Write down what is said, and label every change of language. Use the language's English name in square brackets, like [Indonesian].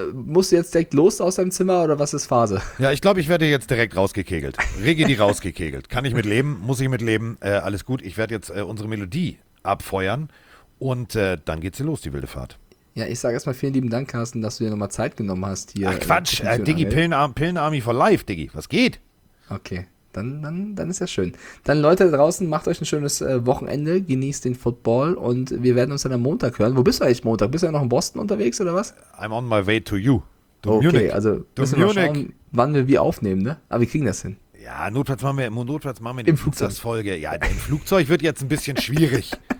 [German] Musst du jetzt direkt los aus deinem Zimmer oder was ist Phase? Ja, ich glaube, ich werde jetzt direkt rausgekegelt. Rigidi rausgekegelt. Kann ich mit leben? Muss ich mit leben? Alles gut. Ich werde jetzt unsere Melodie abfeuern und dann geht's hier los, die wilde Fahrt. Ja, ich sage erstmal vielen lieben Dank, Carsten, dass du dir nochmal Zeit genommen hast hier. Ach Quatsch, Diggi, Pillen-Army for life, Diggi, was geht? Okay, Dann ist ja schön. Dann Leute da draußen, macht euch ein schönes Wochenende, genießt den Football und wir werden uns dann am Montag hören. Wo bist du eigentlich Montag? Bist du ja noch in Boston unterwegs oder was? [English] I'm on my way to you. To okay, Munich. [German] Also müssen wir schauen, wann wir wie aufnehmen, ne? Aber wir kriegen das hin. Ja, notfalls machen wir die Flugzeugfolge. Ja, im Flugzeug wird jetzt ein bisschen schwierig.